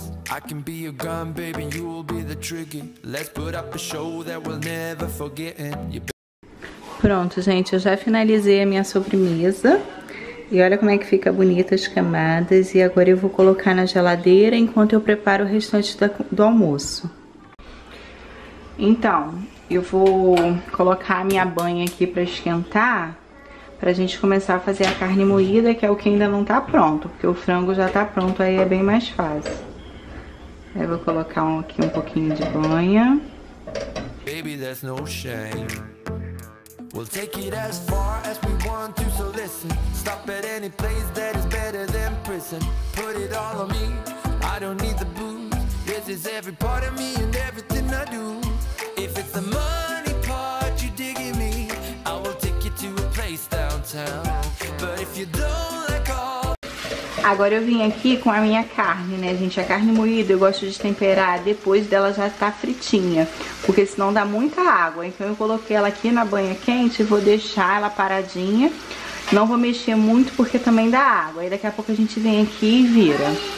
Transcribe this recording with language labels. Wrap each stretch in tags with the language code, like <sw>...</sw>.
<en>I can be your gun, baby, you will be the trigger. Let's put up a show that we'll never forget.</en> <pt>Pronto, gente, eu já finalizei a minha sobremesa. E olha como é que fica bonita as camadas. E agora eu vou colocar na geladeira enquanto eu preparo o restante do almoço. Então, eu vou colocar a minha banha aqui pra esquentar, pra gente começar a fazer a carne moída, que é o que ainda não tá pronto, porque o frango já tá pronto, aí é bem mais fácil. Aí eu vou colocar aqui um pouquinho de banha.</pt> <en>Baby, there's no shame. We'll take it as far as we want to, so listen. Stop at any place that is better than prison. Put it all on me, I don't need the booze. This is every part of me and everything I do. If it's the money part you dig in me, I will take you to a place downtown. But if you don't like all...</en> <pt>Agora eu vim aqui com a minha carne, né, gente? A carne moída eu gosto de temperar depois dela já estar fritinha, porque senão dá muita água. Então eu coloquei ela aqui na banha quente e vou deixar ela paradinha. Não vou mexer muito porque também dá água. Aí daqui a pouco a gente vem aqui e vira.</pt>